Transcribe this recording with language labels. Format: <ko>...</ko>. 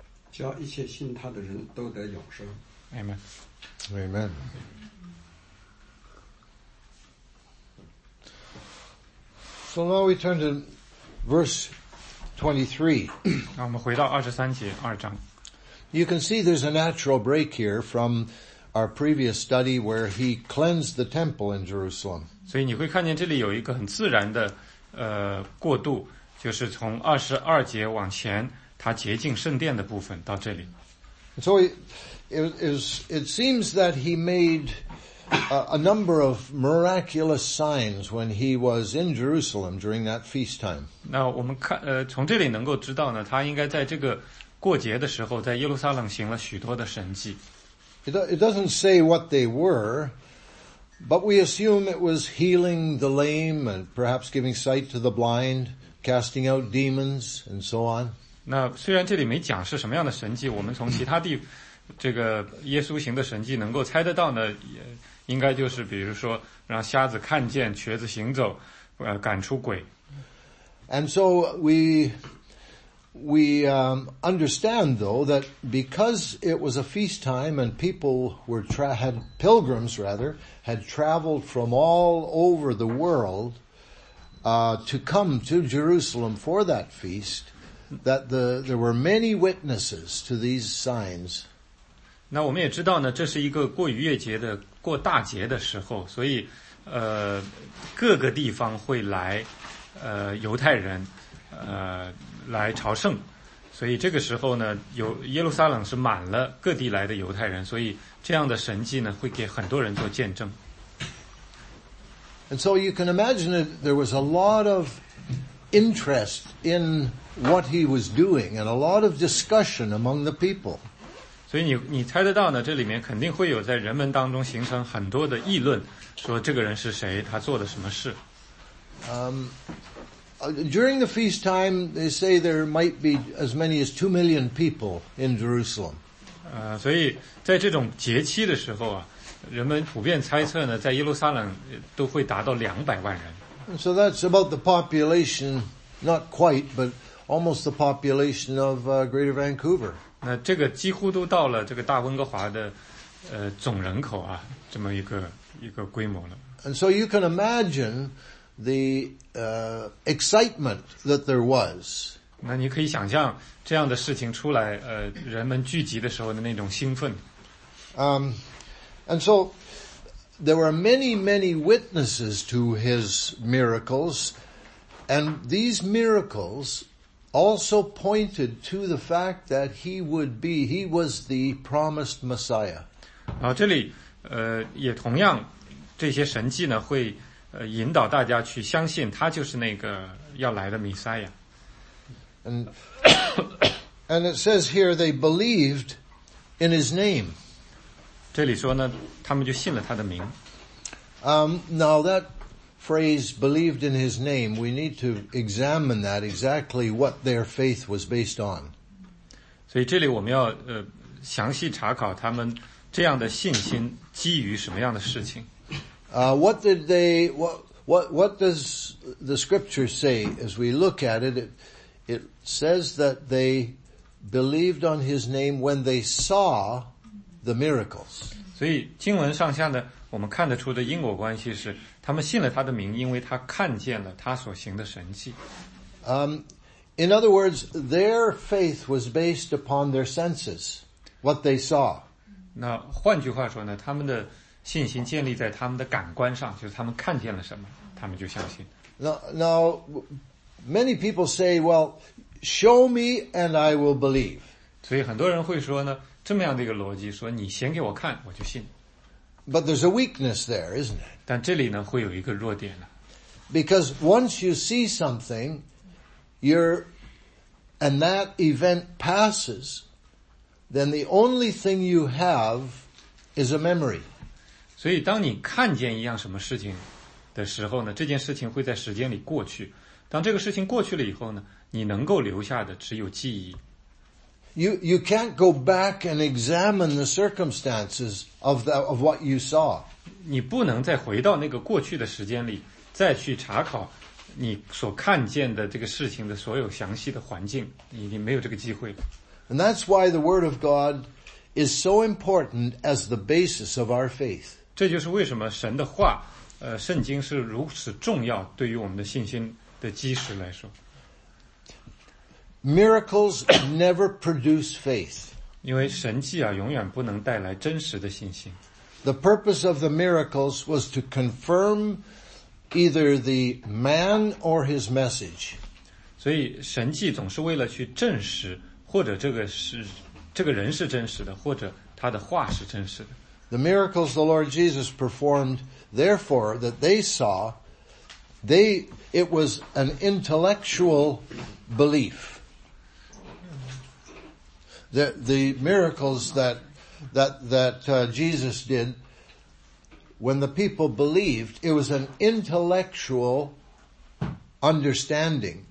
<zh>叫一切信他的人都得永生。</zh> <en>Amen. Amen. So now we turn to verse 23.</en> <zh>那我们回到二十三节二章。</zh> <en>You can see there's a natural break here from our previous study where he cleansed the temple in Jerusalem.</en> <zh>所以你会看见这里有一个很自然的过渡，就是从二十二节往前，他洁净圣殿的部分到这里。</zh> <en>So it seems that he made a number of miraculous signs when he was in Jerusalem during that feast time.</en> <zh>那我们看从这里能够知道呢，他应该在这个过节的时候在耶路撒冷行了许多的神迹。</zh> <en>It doesn't say what they were, but we assume it was healing the lame and perhaps giving sight to the blind, casting out demons and so on.</en> <zh>那虽然这里没讲是什么样的神迹，我们从其他地这个耶稣行的神迹能够猜得到呢，也应该就是比如说让瞎子看见，瘸子行走，赶出鬼。</zh> <en>And so we understand though that because it was a feast time and people were had traveled from all over the world, to come to Jerusalem for that feast, that there were many witnesses to these signs.</en> <zh>那我们也知道呢，这是一个过逾越节的过大节的时候，所以各个地方会来犹太人来朝圣，所以这个时候呢，有耶路撒冷是满了各地来的犹太人，所以这样的神迹呢，会给很多人做见证。</zh> <en>And so you can imagine that there was a lot of interest in what he was doing, and a lot of discussion among the people.</en> <zh>所以你猜得到呢，这里面肯定会有在人们当中形成很多的议论，说这个人是谁，他做的什么事。</zh> <en>During the feast time, they say there might be as many as 2 million people in Jerusalem.</en> <zh>所以在这种节期的时候啊，人们普遍猜测呢，在耶路撒冷都会达到200万人。</zh> <en>So that's about the population, not quite, but almost the population of Greater Vancouver.</en> <zh>那这个几乎都到了这个大温哥华的总人口啊，这么一个规模了。</zh> <en>And so you can imagine the excitement that there was.</en> <zh>那你可以想象这样的事情出来，人们聚集的时候的那种兴奋。</zh> <en>And so there were many, many witnesses to his miracles, and these miracles also pointed to the fact that he was the promised Messiah.</en> <zh>然后这里，也同样，这些神迹呢会引导大家去相信他就是那个要来的弥赛亚。</zh> <en>And it says here they believed in his name.</en> <zh>这里说呢，他们就信了他的名。</zh> <en>Now that phrase believed in his name, we need to examine that exactly what their faith was based on.</en> <zh>所以这里我们要详细查考他们这样的信心基于什么样的事情。</zh> <en>What does the scripture say as we look at it? It says that they believed on his name when they saw the miracles.</en> <zh>所以经文上下呢，我们看得出的因果关系是，他们信了他的名，因为他看见了他所行的神迹。</zh> <en>In other words, their faith was based upon their senses, what they saw.</en> <zh>那换句话说呢，他们的信心建立在他们的感官上，就是他们看见了什么，他们就相信。</zh> <en>Now, many people say, well, show me and I will believe.</en> <zh>所以很多人会说呢，这么样的一个逻辑，说你显给我看，我就信。</zh> <en>But there's a weakness there, isn't it?</en> <zh>但这里呢，会有一个弱点了。</zh> <en>Because once you see something, and that event passes, then the only thing you have is a memory.</en> <zh>所以当你看见一样什么事情的时候呢，这件事情会在时间里过去。当这个事情过去了以后呢，你能够留下的只有记忆。</zh> <en>You can't go back and examine the circumstances of what you saw.</en> <zh>你不能再回到那个过去的时间里，再去查考你所看见的这个事情的所有详细的环境。你没有这个机会。</zh> <en>And that's why the Word of God is so important as the basis of our faith.</en> <zh>这就是为什么神的话，圣经是如此重要，对于我们的信心的基石来说。</zh> <en>Miracles never produce faith.</en> <zh>因为神迹啊，永远不能带来真实的信心。</zh> <en>The purpose of the miracles was to confirm either the man or his message.</en> <zh>所以神迹总是为了去证实，或者这个人是真实的，或者他的话是真实的。</zh> <en>The miracles the Lord Jesus performed, therefore, that they saw, it was an intellectual belief. the miracles that Jesus did, when the people believed, it was an intellectual understanding.</en>